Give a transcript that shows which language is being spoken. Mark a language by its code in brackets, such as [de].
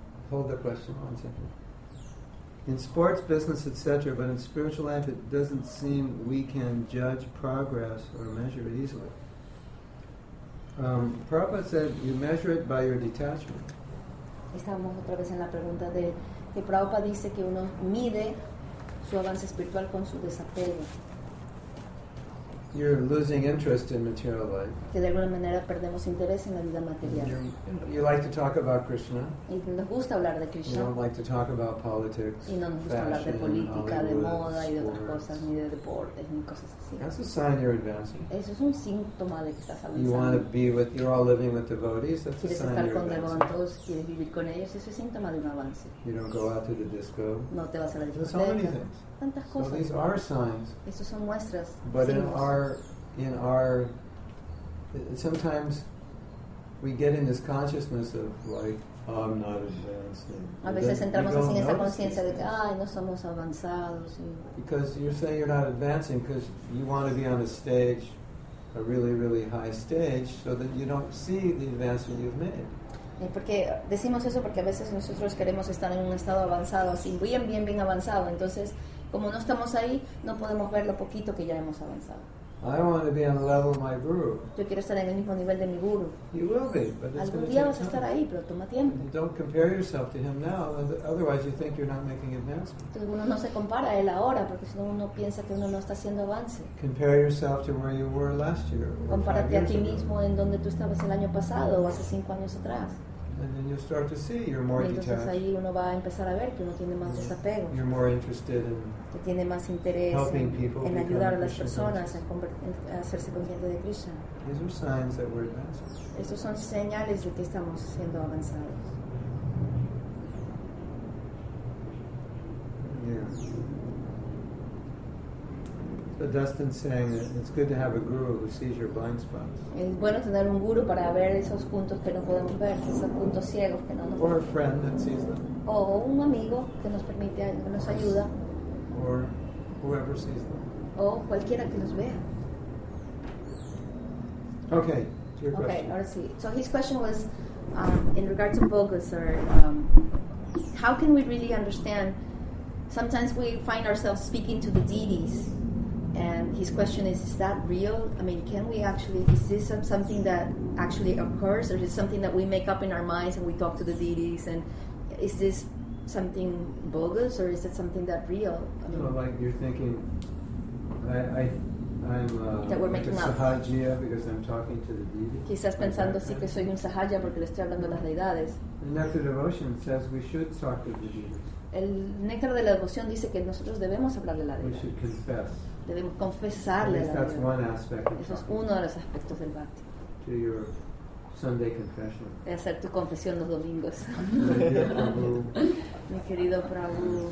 [en] Hold the question 1 second. In sports, business, etc., but in spiritual life, it doesn't seem we can judge progress or measure it easily. Prabhupada said you measure it by your detachment. [es] Estamos otra vez en la pregunta de que Prabhupada dice que uno mide su avance espiritual con su desapego. [en] You're losing interest in material life. [es] Que de alguna manera perdemos interés en la vida material. [en] You like to talk about Krishna. [es] Y nos gusta hablar de Krishna. [en] You don't like to talk about politics. [es] Y no nos gusta [en] fashion, [es] hablar de política, de moda y de [en] sports, [es] otras cosas, ni de deportes, ni cosas así. [en] That's a sign you're advancing. [es] Eso es un síntoma de que estás avanzando. [en] You want to be with, you're all living with devotees. That's a sign you're advancing. [es] Quieres estar con devotos, quieres vivir con ellos. Eso es síntoma de un avance. [en] You don't go out to the disco. [es] No te vas a la discoteca. [en] There's so many things. [es] Tantas cosas. [en] So these are signs. [es] Estos son muestras. [en] But [es] signos. [en] In our, sometimes we get in this consciousness of like, I'm not advancing. [es] A veces entramos así en esa conciencia de que, ay, no somos avanzados. [en] Because you're saying you're not advancing because you want to be on a stage a really, really high stage so that you don't see the advancement you've made. [es] Porque decimos eso porque a veces nosotros queremos estar en un estado avanzado, así bien, bien, bien avanzado. Entonces, como no estamos ahí, no podemos ver lo poquito que ya hemos avanzado. [en] I want to be on the level of my guru. [es] Yo quiero estar en el mismo nivel de mi guru. [en] You will be, but it's [es] algún día vas a estar ahí, pero toma tiempo. [en] And don't compare yourself to him now, otherwise you think you're not making advancement. [es] Entonces uno no se compara a él ahora, porque si no uno piensa que uno no está haciendo avance. [en] Compare yourself to where you were last year. [es] Compárate a ti mismo en donde tú estabas el año pasado o hace 5 años atrás. [en] And then you'll start to see you're more detached. [es] Entonces ahí uno va a empezar a ver que uno tiene más desapego. [en] You're more interested in [es] que tiene más interés [en] helping people [es] en ayudar a las personas a hacerse consciente de Krishna. [en] These are signs that we're advancing. [es] Estos son señales de que estamos siendo avanzados. [en] So Dustin's saying that it's good to have a guru who sees your blind spots. [es] Bueno tener un guru para ver esos puntos que no podemos ver, esos puntos ciegos que no. [en] Or a friend that sees them. [es] O un amigo que nos permite, que nos ayuda. [en] Or whoever sees them. [es] O cualquiera que nos vea. [en] Okay, to your okay, question. Okay, [es] ahora sí. [en] So his question was in regard to bogus, or how can we really understand? Sometimes we find ourselves speaking to the deities. And his question is that real? I mean, can we actually, is this something that actually occurs, or is it something that we make up in our minds and we talk to the deities, and is this something bogus, or is it something that real? I mean, well, like you're thinking, I'm like a sahajiya because I'm talking to the deities. [es] Quizás pensando sí que soy un sahajiya porque le estoy hablando a las deidades. [en] The Nectar Devotion says we should talk to the deities. [es] El Néctar de la Devoción dice que nosotros debemos hablarle a la deidad. [en] We should confess. [es] Debemos confesarle a la deidad. Eso es uno de los aspectos del bhakti. [en] To your Sunday confession. [es] De hacer tu confesión los domingos. Mi querido Prabhu.